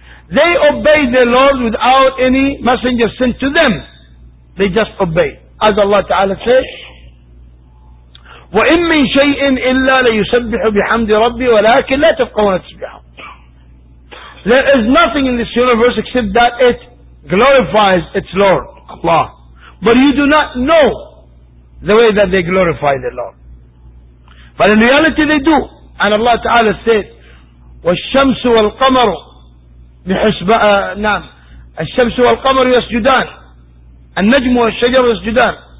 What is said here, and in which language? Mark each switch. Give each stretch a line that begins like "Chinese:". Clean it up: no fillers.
English: They obey the Lord without any messenger sent to them. They just obey. As Allah Ta'ala says,
Arabic: وَإِن مِّن شَيْءٍ إِلَّا لَيُسَبِّحُ بِحَمْدِ رَبِّي وَلَكِنْ لَا تَفْقَهُونَ تَسْبِيحَهُمْ.
English: There is nothing in this universe except that it glorifies its Lord, Allah. But you do not know the way that they glorify the Lord. But in reality they do. And Allah Ta'ala said,
Arabic: وَالشَّمْسُ وَالْقَمَرُ نعم الشمس والقمر يسجدان النجم والشجر يسجدان.